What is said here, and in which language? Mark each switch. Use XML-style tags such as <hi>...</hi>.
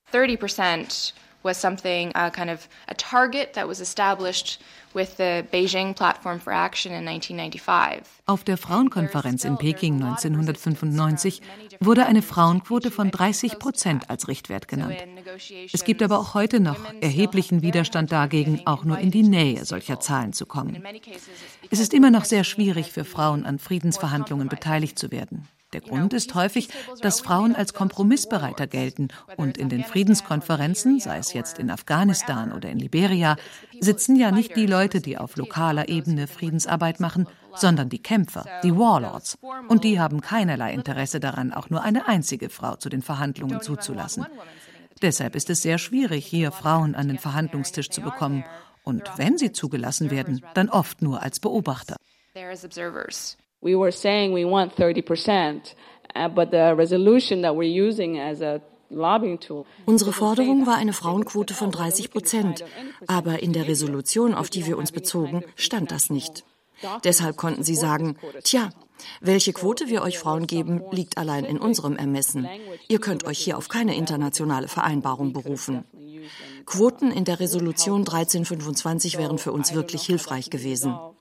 <en>30% was something, kind of a target that was established with the Beijing Platform for Action in 1995.</en> <de>Auf der Frauenkonferenz in Peking 1995 wurde eine Frauenquote von 30% als Richtwert genannt. Es gibt aber auch heute noch erheblichen Widerstand dagegen, auch nur in die Nähe solcher Zahlen zu kommen. Es ist immer noch sehr schwierig für Frauen an Friedensverhandlungen beteiligt zu werden. Der Grund ist häufig, dass Frauen als kompromissbereiter gelten und in den Friedenskonferenzen, sei es jetzt in Afghanistan oder in Liberia, sitzen ja nicht die Leute, die auf lokaler Ebene Friedensarbeit machen, sondern die Kämpfer, die Warlords. Und die haben keinerlei Interesse daran, auch nur eine einzige Frau zu den Verhandlungen zuzulassen. Deshalb ist es sehr schwierig, hier Frauen an den Verhandlungstisch zu bekommen Und wenn sie zugelassen werden, dann oft nur als Beobachter.</de> <en>We were saying we want 30%, but the resolution that we're using as a lobbying tool.</en> <de>Unsere Forderung war eine Frauenquote von 30%, aber in der Resolution, auf die wir uns bezogen, stand das nicht. Deshalb konnten sie sagen, tja, welche Quote wir euch Frauen geben, liegt allein in unserem Ermessen. Ihr könnt euch hier auf keine internationale Vereinbarung berufen. Quoten in der Resolution 1325 wären für uns wirklich hilfreich gewesen.</de>